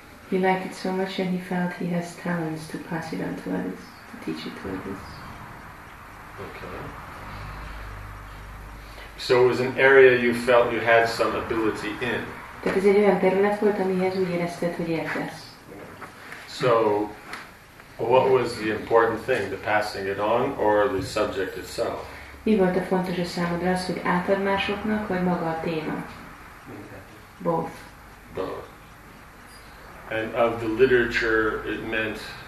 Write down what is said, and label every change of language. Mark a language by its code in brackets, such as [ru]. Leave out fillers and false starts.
[en] He liked it so much and he felt he has talents to pass it on to others, to teach it to others. Okay. So it was an area you felt you had some ability in. [hu] Tehát ez egy olyan terület volt, amihez úgy érezted, hogy értesz. [en] So, what was the important thing, the passing it on, or the subject itself? [hu] Mi volt a fontos a számodra, az, hogy átad másoknak, vagy maga a téma? [en] Both. Both. And of the literature, it meant...